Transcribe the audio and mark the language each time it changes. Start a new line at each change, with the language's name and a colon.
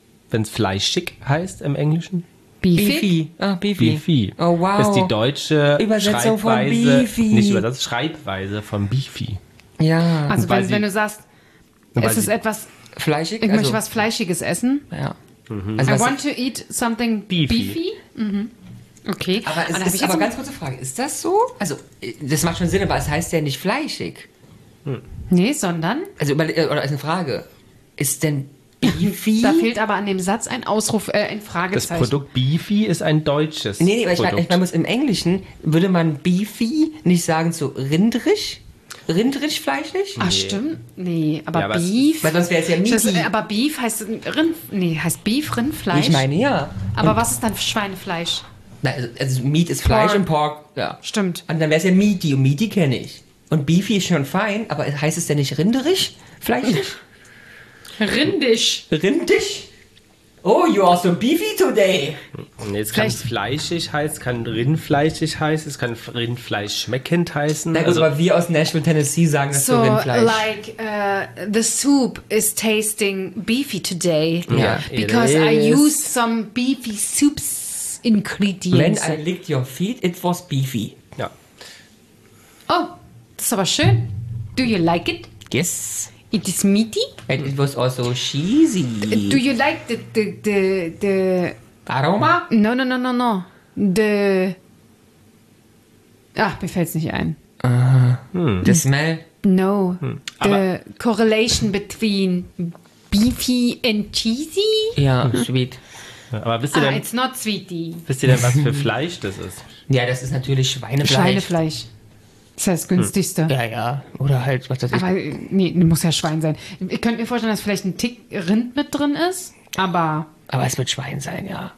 German: Wenn es fleischig heißt im Englischen?
English: Beefy. Beefy. Oh, Beefy. Oh, wow.
German: Ist die deutsche Übersetzung Schreibweise, von Beefy. Nicht übersetzt, Schreibweise von Beefy. Ja. Also wenn du sagst, es ist etwas... Fleischig? Ich möchte was Fleischiges essen. Ja. Mhm. Also
English: I want to eat something beefy. Mhm.
German: Okay. Aber es ist aber ganz kurze Frage. Ist das so? Also, das macht schon Sinn, aber es heißt ja nicht fleischig. Hm. Nee, sondern? Also, oder ist eine Frage. Ist denn beefy? Da fehlt aber an dem Satz ein Ausruf, ein Fragezeichen. Das Produkt beefy ist ein deutsches Produkt. Nee, aber ich meine, im Englischen würde man beefy nicht sagen zu rindrisch? Rindrisch fleischlich? Nee. Ach, stimmt. Nee, aber ja, Beef. Weil sonst wäre es ja Meat. Aber Beef heißt Rind. Nee, heißt Beef Rindfleisch? Ich meine ja. Aber und was ist dann Schweinefleisch? Nein, also Meat ist Fleisch und Pork. Ja. Stimmt. Und dann wäre es ja Meaty und Meaty kenne ich. Und Beefy ist schon fein, aber heißt es denn nicht rinderisch? Fleischlich? Rindisch. Rindisch?
English: Oh, you are so beefy today.
German: Nee, es kann fleischig heißen, es kann rindfleischig heißen, es kann rindfleischschmeckend heißen. Na gut, also, aber wir aus Nashville, Tennessee sagen das so für Rindfleisch.
English: So, like, the soup is tasting beefy today. Yeah. Because I used some beefy soup ingredients. When I licked your feet, it was beefy.
German: Ja. Oh, das ist aber schön.
English: Do you like it? Yes. It is meaty. And it was also cheesy. Do you like the aroma? No. The...
German: Ach, mir fällt es nicht ein.
English: The smell? No. Hm. The
German: aber
English: correlation between beefy and cheesy?
German: Ja,
English: sweet.
German: Aber wisst ihr denn...
English: it's not sweetie.
German: Wisst ihr denn, was für Fleisch das ist? Ja, das ist natürlich Schweinefleisch. Das ist das günstigste. Ja, ja. Oder halt, was das ist. Aber, nee, muss ja Schwein sein. Ich könnte mir vorstellen, dass vielleicht ein Tick Rind mit drin ist, aber... Aber es wird Schwein sein, ja.